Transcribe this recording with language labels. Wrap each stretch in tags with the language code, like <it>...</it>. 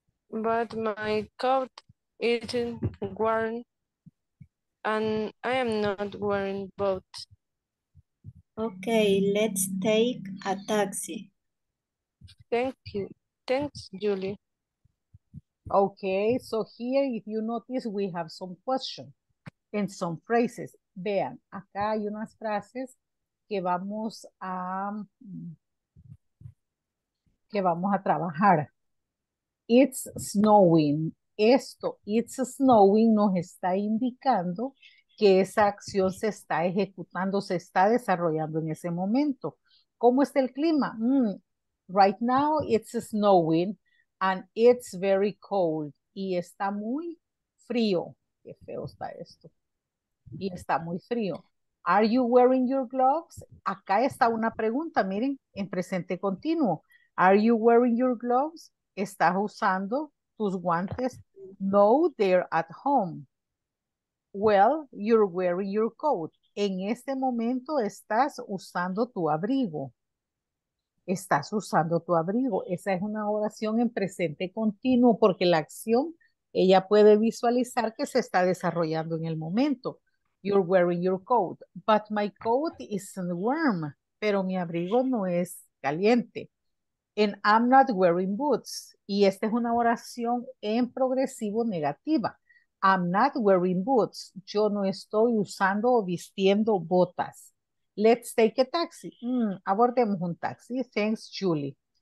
<en>But my coat isn't worn, and I am not wearing boots. Okay, let's take a taxi. Thank you. Thanks, Julie. Okay, so here, if you notice, we have some questions and some phrases.</en> <es>Vean, acá hay unas frases que vamos a trabajar.</es> <en>It's snowing.</en> <es>Esto,</es> <en>it's snowing,</en> <es>nos está indicando que esa acción se está ejecutando, se está desarrollando en ese momento. ¿Cómo está el clima?</es> <en>Right now it's snowing and it's very cold.</en> <es>Y está muy frío. Qué feo está esto. Y está muy frío.</es> <en>Are you wearing your gloves?</en> <es>Acá está una pregunta, miren, en presente continuo.</es> <en>Are you wearing your gloves?</en> <es>¿Estás usando tus guantes?</es> <en>No, they're at home. Well, you're wearing your coat.</en> <es>En este momento estás usando tu abrigo. Estás usando tu abrigo. Esa es una oración en presente continuo porque la acción, ella puede visualizar que se está desarrollando en el momento.</es> <en>You're wearing your coat, but my coat isn't warm.</en> <es>Pero mi abrigo no es caliente.</es> <en>And I'm not wearing boots.</en> <es>Y esta es una oración en progresivo negativa.</es> <en>I'm not wearing boots.</en> <es>Yo no estoy usando o vistiendo botas.</es> <en>Let's take a taxi.</en> <es>Abordemos un taxi.</es> <en>Thanks, Julie.</en>